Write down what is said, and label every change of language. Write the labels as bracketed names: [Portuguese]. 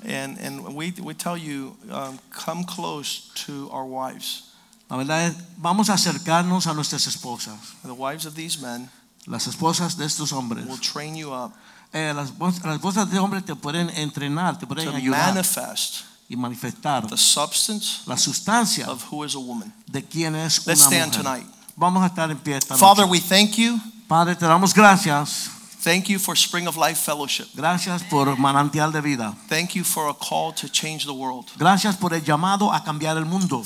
[English] And we tell you, come close to our wives. [Spanish] La verdad es, vamos a acercarnos a nuestras esposas. [English] The wives of these men. [Spanish] Las esposas de estos hombres. [English] Will train you up. [Spanish] Las esposas de hombres te pueden entrenar, te pueden ayudar. [English] To manifest. [Spanish] Y manifestar. [English] The substance. [Spanish] La sustancia. [English] Of who is a woman. [Spanish] De quién es una [English] mujer. Let's stand [Spanish] mujer. [English] Tonight. [Spanish] Vamos a estar en pie esta noche. [English] Father, we thank you. [Spanish] Padre, te damos gracias. [English] Thank you for Spring of Life Fellowship. [Spanish] Gracias por Manantial de Vida. [English] Thank you for a call to change the world. [Spanish] Gracias por el llamado a cambiar el mundo.